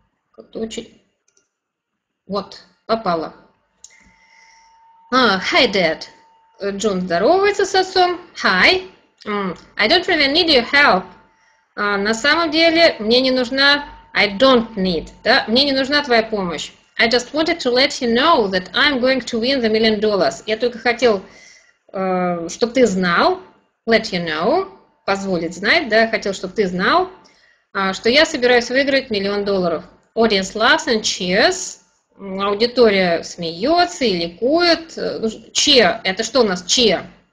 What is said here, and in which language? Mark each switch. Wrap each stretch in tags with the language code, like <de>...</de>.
<ru>Как-то очень... Вот, попало.</ru> <en>Hi, Dad.</en> <ru>Джон здоровается с отцом.</ru> <en>Hi. I don't really need your help.</en> <ru>На самом деле, мне не нужна...</ru> <en>I don't need. Да?</en> <ru>Мне не нужна твоя помощь.</ru> <en>I just wanted to let you know that I'm going to win the million dollars.</en> <ru>Я только хотел, чтобы ты знал,</ru> <en>let you know,</en> <ru>позволить знать, да, хотел, чтобы ты знал, что я собираюсь выиграть миллион долларов.</ru> <en>Audience laughs and cheers.</en> <ru>Аудитория смеется и ликует. Cheer. Это что у нас? Cheer.</ru>